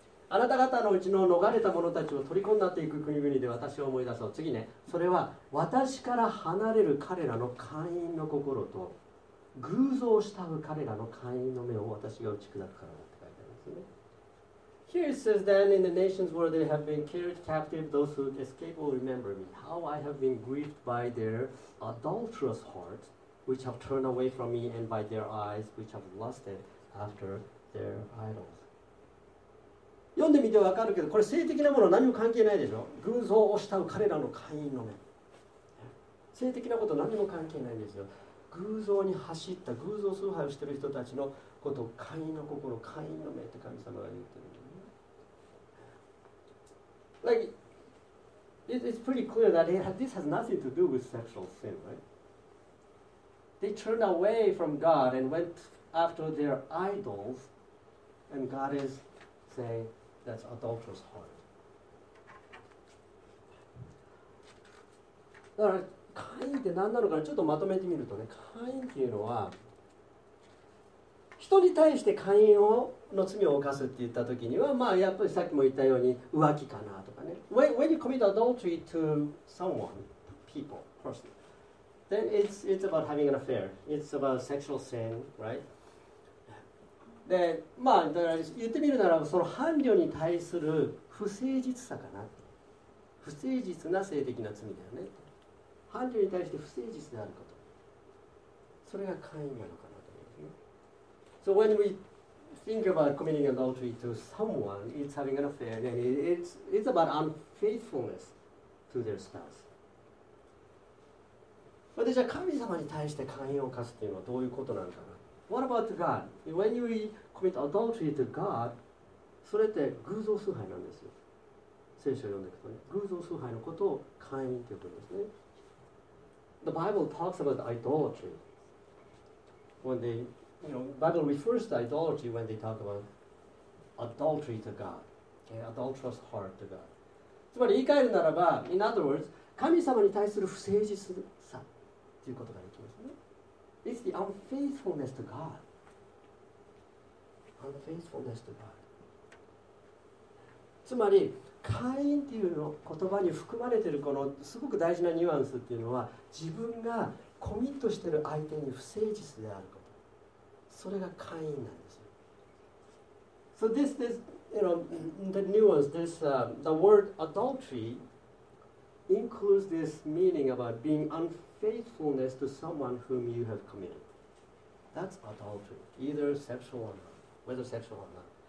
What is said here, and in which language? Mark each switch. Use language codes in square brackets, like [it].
[ja] あなた方のうちの逃れた者たちを取り込んだっていく国々で私を思い出そう。次ね、それは私から離れる彼らの姦淫の心と偶像を慕う彼らの姦淫の目を私が打ち砕くからだって書いてあるんですね。 [en] Here it says, then in the nations where they have been carried captive, those who escape will remember me, how I have been grieved by their adulterous hearts, which have turned away from me, and by their eyes, which have lusted after their idols. [ja] 読んでみてわかるけど、これ性的なものは何も関係ないでしょ。偶像を慕う彼らの姦淫の目、性的なことは何も関係ないんですよ。偶像に走った、偶像崇拝をしている人たちのことを姦淫の心、姦淫の目って神様が言ってる、ね、 [en] Like it's pretty clear that this has nothing to do with sexual sin, right? They turned away from God and went after their idols, and God is saying,That's adulterous heart. [ja] だから姦淫って何なのかな、ちょっとまとめてみるとね、姦淫っていうのは人に対して姦淫の罪を犯すって言った時には、まあやっぱりさっきも言ったように浮気かなとかね。 [en] When you commit adultery to someone, people, person, then it's about having an affair. It's about sexual sin, right? [ja] でまあ、だから言ってみるなら、その伴侶に対する不誠実さかな、不誠実な性的な罪だよね。伴侶に対して不誠実であること、それが姦淫なのかなと思います。 [en] So when we think about committing adultery to someone, it's having an affair, and it's about unfaithfulness to their spouse. But [ja] じゃあ神様に対して姦淫を犯すというのはどういうことなのかな。 [en] What about God? When you commit adultery to God, [ja] それって偶像崇拝なんですよ。聖書を読んでいくとね、偶像崇拝のことを姦淫って呼ぶんですね。 [en] The Bible talks about idolatry. When they, you know, Bible refers to idolatry when they talk about adultery to God, okay, adulterous heart to God. [ja] つまり言い換えるならば、 [en] in other words, [ja] 神様に対する不誠実さっていうことができますね。 [en] It's the unfaithfulness to God. Unfaithfulness to God. [ja] つまり、姦淫っていうの言葉に含まれているこのすごく大事なニュアンスっていうのは、自分がコミットしている相手に不誠実であること。それが姦淫なんですよ。 [en] So this, you know, the nuance, this, the word adultery includes this meaning about being unfaithful. Faithfulness to someone whom you have committed. That's adultery, either sexual or not, whether sexual or not.